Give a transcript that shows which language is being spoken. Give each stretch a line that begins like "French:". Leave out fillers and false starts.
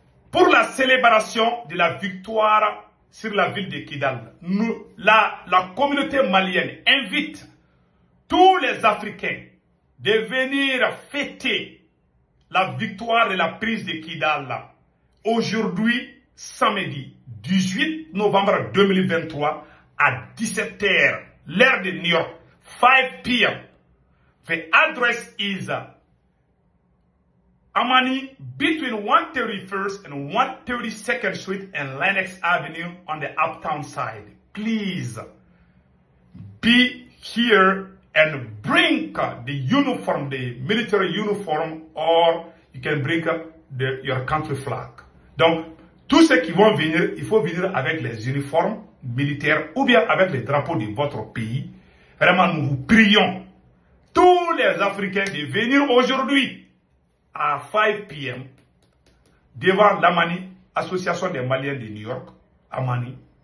French: Pour la célébration de la victoire sur la ville de Kidal, la communauté malienne invite tous les Africains de venir fêter la victoire et la prise de Kidal aujourd'hui, samedi 18 novembre 2023 à 17h, l'heure de New York, 5 p.m.
English: The address is Amani, between 131st and 132nd Street and Lenox Avenue on the uptown side. Please be here and bring the uniform, the military uniform, or you can bring your country flag.
French: Donc, tous ceux qui vont venir, il faut venir avec les uniformes militaires ou bien avec les drapeaux de votre pays. Vraiment, nous vous prions, tous les Africains, de venir aujourd'hui à 5 p.m. devant l'Amani, Association des Maliens de New York, Amani.